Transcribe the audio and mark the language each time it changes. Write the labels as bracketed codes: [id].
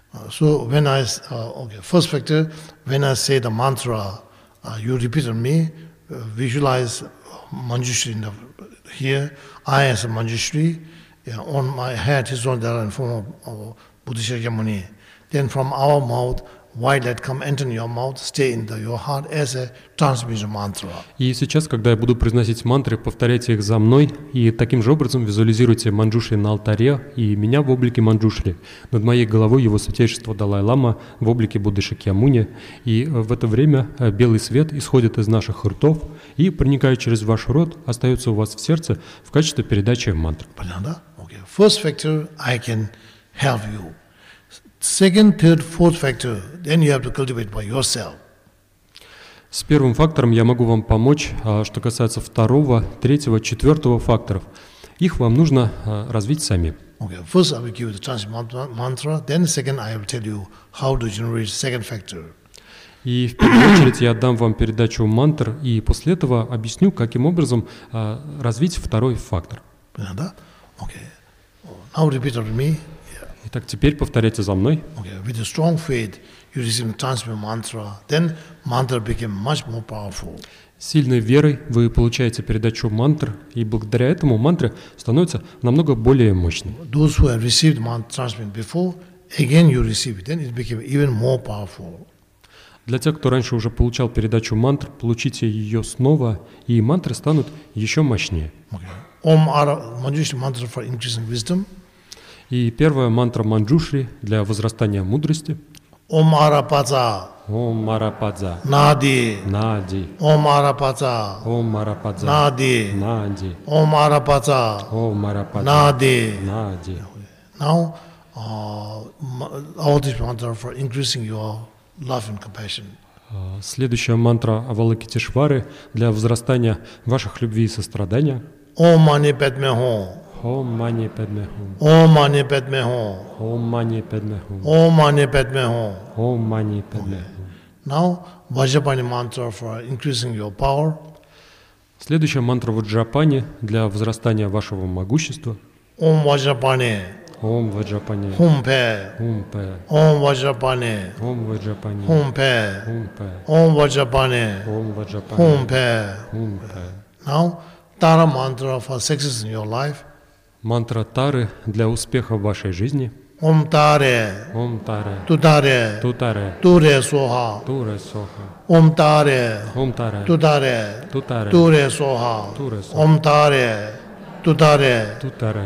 [en] So when I, okay, first factor, when I say the mantra, you repeat on me, visualize Manjushri in the here, I as a Manjushri, yeah, on my head is on there in form of Buddha Shakyamuni. Then from our mouth, white light come enter in your mouth, stay in the, your heart as a transmission mantra. [ru] И сейчас, когда я буду произносить мантры, повторяйте их за мной и таким же образом визуализируйте Манджушри на алтаре и меня в облике Манджушри. Над моей головой его святейшество Далай-лама в облике Будды Шакьямуни. И в это время белый свет исходит из наших ртов и, проникая через ваш рот, остается у вас в сердце в качестве передачи мантр. Понятно, да? [en] Okay. First factor, I can help you. Second, third, fourth factor, then you have to cultivate by yourself. [ru] С первым фактором я могу вам помочь, что касается второго, третьего, четвертого факторов. Их вам нужно развить сами. [en] Okay, first I will give you the transmission mantra, then second I will tell you how to generate second factor. [ru] И в первую очередь я дам вам передачу мантр, и после этого объясню, каким образом развить второй фактор. Понятно, да? [en] Okay. Now repeat after me. [ru] Итак, теперь повторяйте за мной. [en] Okay, with a strong faith, you receive the transmission mantra, then mantra became much more powerful. [ru] Сильной верой вы получаете передачу мантр, и благодаря этому мантра становится намного более мощным. [en] Those who have received transmission before, again you receive it, then it became even more powerful. [ru] Для тех, кто раньше уже получал передачу мантр, получите ее снова, и мантры станут еще мощнее. [en] Ом ара манджушри мантра for increasing wisdom. [ru] И первая мантра Манджушри для возрастания мудрости. [sa] Ом арапаца. Ом арапаца. Нади. Нади. Ом арапаца. Ом арапаца. Нади. Нади. Ом арапаца. Ом арапаца. Нади. Нади. [en] Now, all these mantras for increasing your love and compassion. [ru] Следующая мантра Авалокитешвары для возрастания ваших любви и сострадания. [sa] Ом мани падме хум. Ом мани падме хум. Ом мани падме хум. Ом мани падме хум. Ом мани падме хум. Ом мани падме хум. [en] Now, Ваджапани mantra for increasing your power. [ru] Следующая мантра Ваджапани для возрастания вашего могущества. [sa] Ом Ваджапани. Ом Ваджапани. Хум пе. Хум пе. Ом Ваджапани. Ом Ваджапани. Хум пе. Хум пе. Ом Ваджапани. Ом Ваджапани. Хум пе. Хум пе. [en] Now, Тара mantra for success in your life. [ru] Мантра Тары для успеха в вашей жизни. [sa] Ом Таре. Ом Таре. Ту Таре. Ту Таре. Ту Ре Соха. Ту Ре Соха. Ом Таре. Ом Таре. Ту Таре. Ту Таре. Ту Ре Соха. Ту Ре Соха. Ом Таре. Ту Таре. Ту Таре.